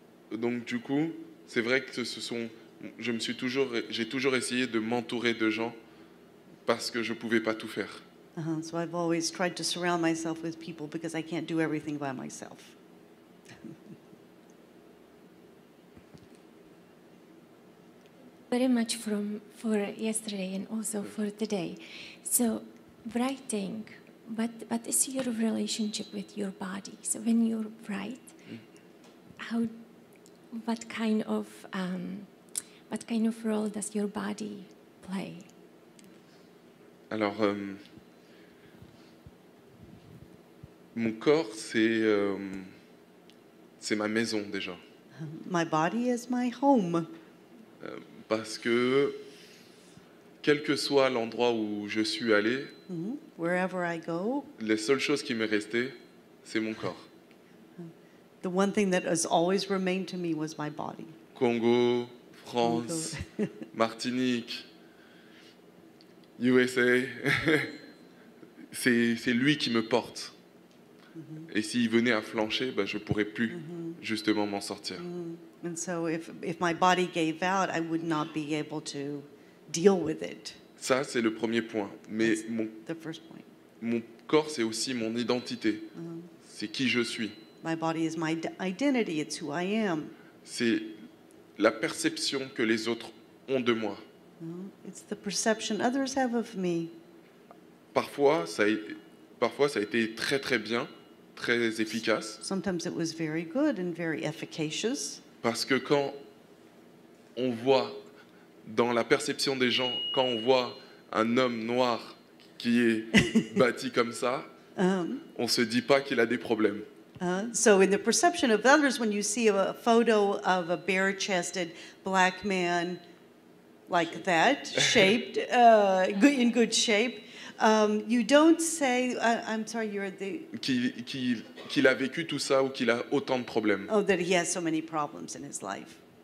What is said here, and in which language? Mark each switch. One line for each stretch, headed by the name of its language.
French: Donc du coup, c'est vrai que j'ai toujours essayé de m'entourer de gens parce que je pouvais pas tout faire.
English: So I've always tried to surround myself with people because I can't do everything by myself. Very much for yesterday and also for today. So writing, what is your relationship with your body? So when you write, what kind of role does your body play?
French: Alors, Mon corps, c'est ma maison déjà.
English: My body is my home.
French: Parce que quel que soit l'endroit où je suis allé,
English: wherever I go,
French: les seules choses qui m'est restée, c'est mon corps.
English: The one thing that has always remained to me was my body.
French: Congo, France, Congo. Martinique, USA, c'est lui qui me porte. Et s'il venait à flancher, je ne pourrais plus justement m'en sortir.
English: And so if my body gave out, I would not be able to deal with it.
French: Ça, c'est le premier point. Mais mon corps, c'est aussi mon identité. C'est qui je suis.
English: My body is my identity. It's who I am.
French: C'est la perception que les autres ont de moi.
English: It's the perception others have of me.
French: Parfois, ça a été très très bien, très efficace.
English: Sometimes it was very good and very efficacious.
French: Parce que quand on voit dans la perception des gens, quand on voit un homme noir qui est bâti comme ça, on se dit pas qu'il a des problèmes.
English: So in the perception of others, when you see a photo of a bare-chested black man like that, shaped, in good shape, you don't say, I'm sorry, you're the...
French: Qu'il a vécu tout ça ou qu'il a autant de problèmes.
English: Oh, that he has so many problems in his life.